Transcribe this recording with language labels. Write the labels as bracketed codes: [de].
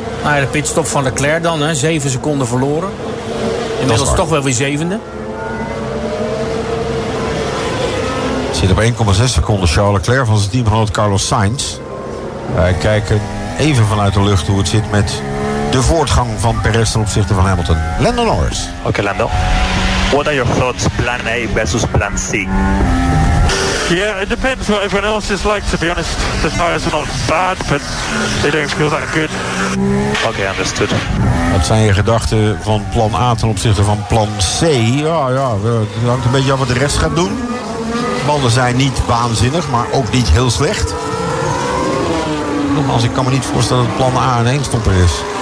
[nl] Nou ja, de pitstop van Leclerc dan, hè, 7 seconden verloren. Inmiddels toch wel weer 7e. Zit op 1,6 seconden Charles Leclerc van zijn teamgenoot Carlos Sainz. Wij kijken even vanuit de lucht hoe het zit met de voortgang van Perez ten opzichte van Hamilton. Lando Norris. Oké, Lando. [en] What are your thoughts, plan A versus plan C? Yeah, it depends what everyone else is like, to be honest. The tires are not bad, but they don't feel that good. Okay, understood. [nl] Wat zijn je gedachten van plan A ten opzichte van plan C? Ja, het hangt een beetje af wat de rest gaat doen. De banden zijn niet waanzinnig, maar ook niet heel slecht. Nogmaals, ik kan me niet voorstellen dat plan A een eenstopper is.